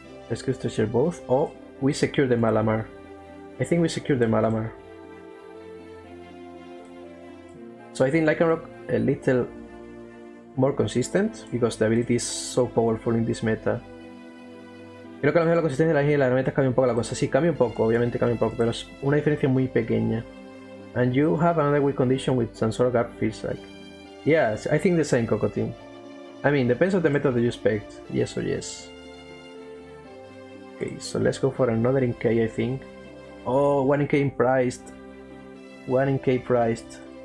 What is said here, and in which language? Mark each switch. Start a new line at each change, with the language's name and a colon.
English: Rescue Stretcher both. Oh, we secure the Malamar. I think we secure the Malamar. So I think Lycanroc a little more consistent because the ability is so powerful in this meta.
Spanish: Creo que a lo mejor la consistencia de la energía y la herramienta cambia un poco la cosa. Sí, cambia un poco, obviamente cambia un poco, pero es una diferencia muy pequeña.
English: And you have another weak condition with some sort of gap feels like. Yes, I think the same, Cocotin. I mean, depends on the meta that you expect. Yes or yes. Okay, so let's go for another NK, I think. Oh, 1NK priced. 1NK priced.